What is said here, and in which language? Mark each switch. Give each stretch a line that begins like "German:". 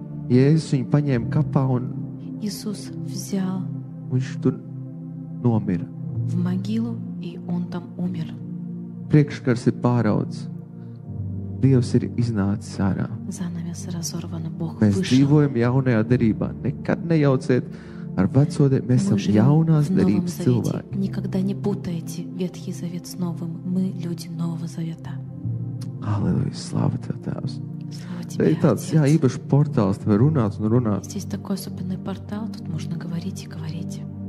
Latvian: Jēzus viņu paņēma kapā un viņš tur nomira.
Russian: В могилу, и он там умер.
Latvian: Priekškars ir pāraudz. Dievs ir iznācis ārā.
Russian: Занавес разорван, Бог вышел.
Latvian: Mēs dzīvojam jaunajā derībā. Nekad nejauciet ar veco derību. Mēs esam jaunās derības cilvēki.
Russian: Никогда не путайте Ветхий Завет с новым. Мы люди Нового Завета. Аллилуйя, слава Тебе, Тевс. Слава Тебе, Отец.
Latvian: Jā, īpaši portāls, tev runāt un runāt.
Russian: Здесь такой особенный портал, тут можно говорить и говорить.